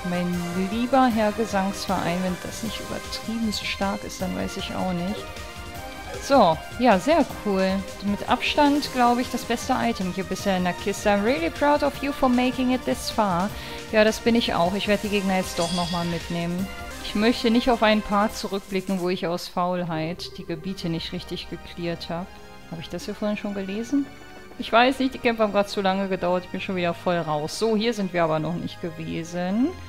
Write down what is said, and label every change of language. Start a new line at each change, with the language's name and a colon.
German: Mein lieber Herr Gesangsverein, wenn das nicht übertrieben stark ist, dann weiß ich auch nicht. So, ja, sehr cool. Mit Abstand, glaube ich, das beste Item hier bisher in der Kiste.
English: I'm really proud of you for making it this far.
German: Ja, das bin ich auch. Ich werde die Gegner jetzt doch nochmal mitnehmen. Ich möchte nicht auf ein paar zurückblicken, wo ich aus Faulheit die Gebiete nicht richtig geklärt habe. Habe ich das hier vorhin schon gelesen? Ich weiß nicht, die Kämpfe haben gerade zu lange gedauert. Ich bin schon wieder voll raus. So, hier sind wir aber noch nicht gewesen.